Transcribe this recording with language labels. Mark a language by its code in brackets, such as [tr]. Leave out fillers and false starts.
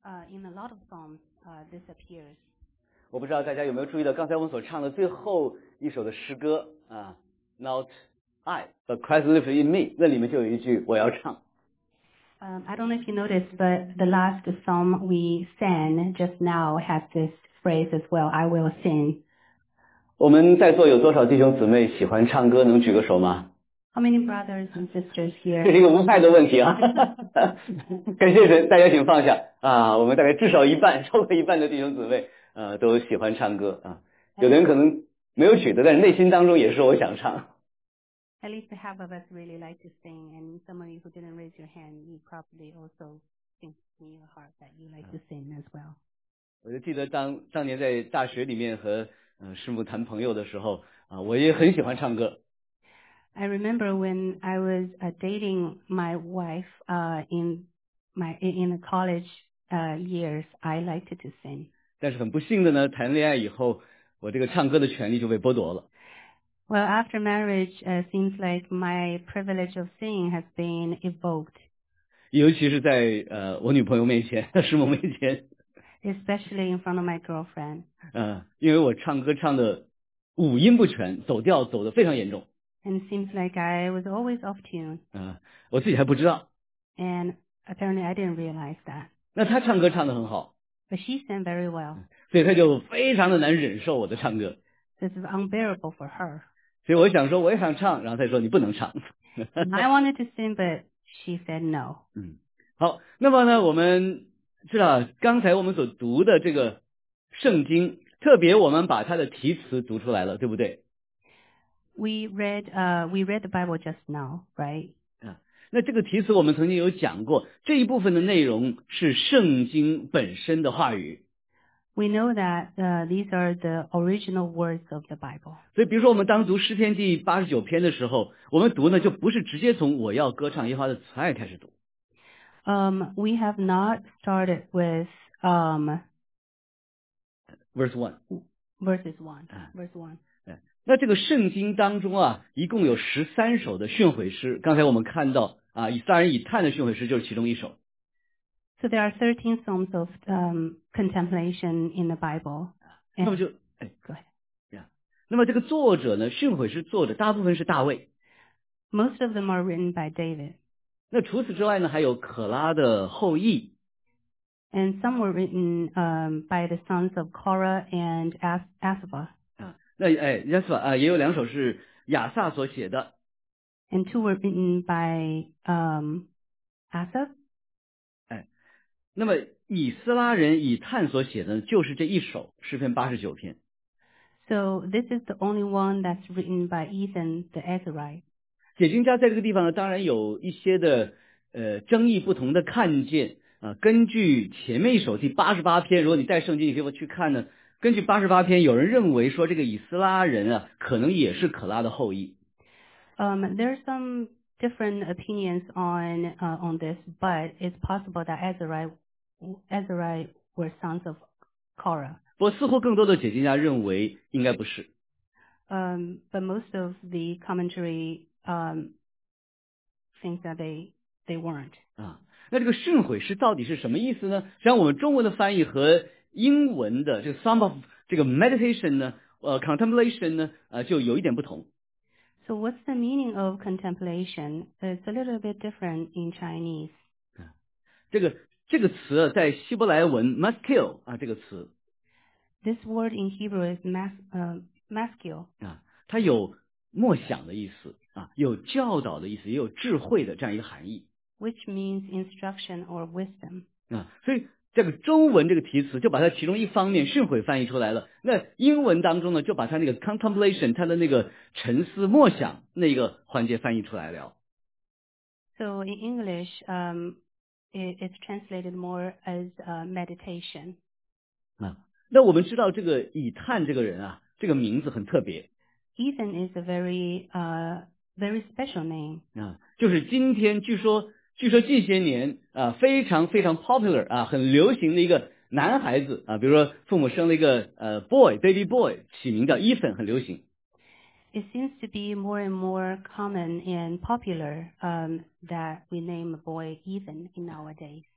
[en] In a lot of psalms, this appears. [zh] 我不知道大家有没有注意到刚才我们所唱的最后一首的诗歌啊 , [en] Not I, but Christ lives in me, [zh] 那里面就有一句我要唱。 [en] I don't know if you noticed, but the last psalm we sang just now has this phrase as well, I will sing. [zh] 我们在座有多少弟兄姊妹喜欢唱歌能举个手吗？ [en] How many brothers and sisters here? [zh] 这是一个无派的问题啊。感谢神，大家请放下啊。我们大概至少一半，超过一半的弟兄姊妹都喜欢唱歌啊。有的人可能没有举的，但是内心当中也是我想唱。 [en] At least half of us really like to sing, and some of you who didn't raise your hand, you probably also think in your heart that you like to sing as well. [zh] 我就记得当年在大学里面和师母谈朋友的时候啊，我也很喜欢唱歌。 [en] I remember when I was dating my wife in the college years, I liked to sing. [zh] 但是很不幸的呢，谈恋爱以后，我这个唱歌的权利就被剥夺了。 [en] Well, after marriage, seems like my privilege of singing has been evoked. [zh] 尤其是在我女朋友面前，师母面前。 [en] Especially in front of my girlfriend. [zh] 因为我唱歌唱的五音不全，走调走得非常严重。 [en] And it seems like I was always off tune. [zh] 我自己还不知道。 [en] And apparently I didn't realize that. [zh] 那她唱歌唱得很好。 [en] But she sang very well. [zh] 所以她就非常的难忍受我的唱歌。 [en] This is unbearable for her. [zh] 所以我想说我也想唱，然后她说你不能唱。 [en] I wanted to sing, but she said no. [zh] 好，那么呢，我们知道刚才我们所读的这个圣经，特别我们把它的题词读出来了，对不对？ [en] We read the Bible just now, right? [zh] 那这个题词我们曾经有讲过，这一部分的内容是圣经本身的话语。 [en] We know that these are the original words of the Bible. [zh] 所以比如说我们当读诗篇第89篇的时候，我们读呢就不是直接从我要歌唱耶和华的慈爱开始读。 [en] We have not started with verse 1. Verse 1. [zh] 那这个圣经当中啊，一共有13首的训诲诗。刚才我们看到啊，以撒人以叹的训诲诗就是其中一首。 [en] So there are 13 psalms of contemplation in the Bible. [zh] 那么就哎，各位，那么这个作者呢，训诲诗作者大部分是大卫。 [en] Most of them are written by David. [zh] 那除此之外呢，还有可拉的后裔。 [en] And some were written by the sons of Korah and Asaph. [zh] 那哎 ，yes 吧啊，也有两首是亚萨所写的。 [en] And two were written by Asaph. [zh] 哎，那么以斯拉人以叹所写的就是这一首诗篇89篇。 [en] So this is the only one that's written by Ethan the Ezrahite. [zh] 解经家在这个地方呢，当然有一些的争议，不同的看见啊。根据前面一首第88篇，如果你带圣经，你可以去看呢。根据88篇，有人认为说这个以斯拉人啊，可能也是可拉的后裔。 [en] There are some different opinions on this, but it's possible that Ezrahite were sons of Korah. [zh] 不过似乎更多的解经家认为应该不是。 [en] But most of the commentary thinks that they weren't. [zh] 那这个训诲诗到底是什么意思呢？实际上我们中文的翻译和英文的这个 some of 这个 meditation 呢contemplation 呢就有一点不同。 [en] So what's the meaning of contemplation? It's a little bit different in Chinese. [zh] 这个词在希伯来文 maskil 啊这个词。 [en] This word in Hebrew is maskil. [zh] 它有默想的意思啊，有教导的意思，也有智慧的这样一个含义。 [en] Which means instruction or wisdom. [zh] 所以这个中文这个题词就把它其中一方面训诲翻译出来了，那英文当中呢就把它那个 contemplation 它的那个沉思默想那个环节翻译出来了。 [en] So in English, it's translated more as meditation. [zh] 那我们知道这个以叹这个人啊，这个名字很特别。 [en] Ethan is a very, very special name. [zh] 啊，就是今天据说这些年啊，非常非常 popular 啊，很流行的一个男孩子啊，比如说父母生了一个 [en] baby boy， [zh] 起名叫 Ethan， 很流行。 [en] It seems to be more and more common and popular, that we name a boy Ethan in nowadays.